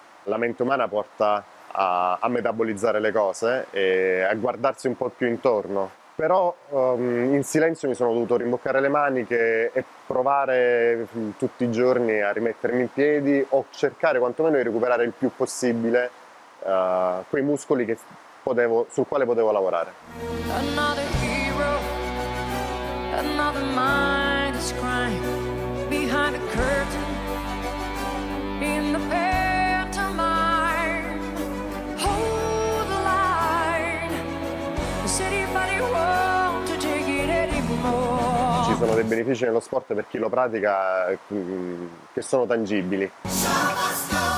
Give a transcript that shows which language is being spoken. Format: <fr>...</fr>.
<it>La mente umana porta a metabolizzare le cose e a guardarsi un po' più intorno. Però in silenzio mi sono dovuto rimboccare le maniche e provare tutti i giorni a rimettermi in piedi o cercare quantomeno di recuperare il più possibile quei muscoli che potevo, sul quale potevo lavorare.</it> <en>Another hero, another mind is crying behind the curtain in the pantomime. Hold the line, said if I didn't want to take it anymore.</en> <it>Ci sono dei benefici nello sport per chi lo pratica che sono tangibili.</it>